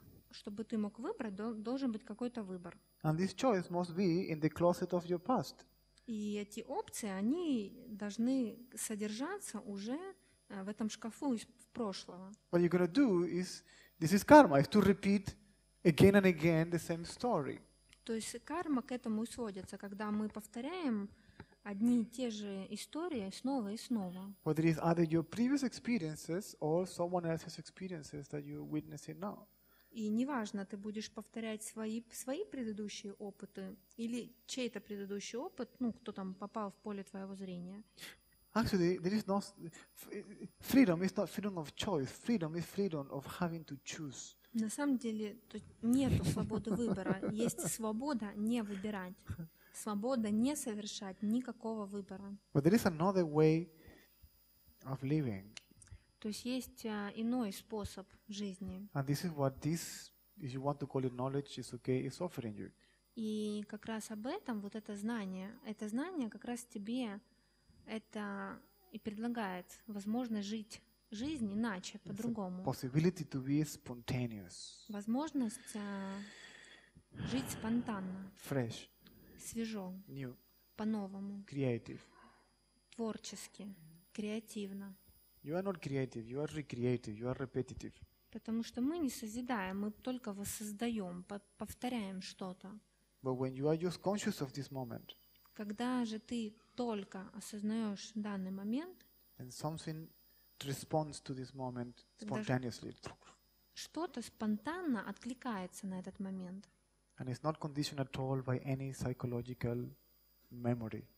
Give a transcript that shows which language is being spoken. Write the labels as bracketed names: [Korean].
[Russian] Чтобы ты мог выбрать, должен быть какой-то выбор. [English] And this choice must be in the closet of your past. [Russian] И эти опции, они должны содержаться уже в этом шкафу из прошлого. [English] What you're gonna do is, this is karma, is to repeat again and again the same story. [Russian] То есть карма к этому и сводится, когда мы повторяем одни и те же истории снова и снова. [English] Whether it's either your previous experiences or someone else's experiences that you're witnessing now. [Russian] И неважно, ты будешь повторять свои предыдущие опыты или чей-то предыдущий опыт, ну, кто там попал в поле твоего зрения. [English] Actually, there is no freedom. It's not freedom of choice. Freedom is freedom of having to choose. [Russian] На самом деле, нету свободы выбора. Есть свобода не выбирать. Свобода не совершать никакого выбора. [English] But there is another way of living. [Russian] То есть есть иной способ жизни. [English] And this is what this, if you want to call it knowledge, is okay, is offering you. [Russian] И как раз об этом вот это знание как раз тебе это и предлагает возможность жить жизнь иначе, по-другому. [English] Possibility to be spontaneous. [Russian] Возможность жить спонтанно. [English] Fresh. [Russian] Свежо. [English] New. [Russian] По-новому. [English] Creative. [Russian] Творчески. Креативно. [English] You are not creative, you are recreative, you are repetitive. [Russian] Потому что мы не созидаем, мы только воссоздаем, повторяем что-то. [English] But when you are just conscious of this moment, [Russian] когда же ты только осознаешь данный момент, [English] then something responds to this moment spontaneously. [Russian] Что-то спонтанно откликается на этот момент. [English] And it's not conditioned at all by any psychological memory.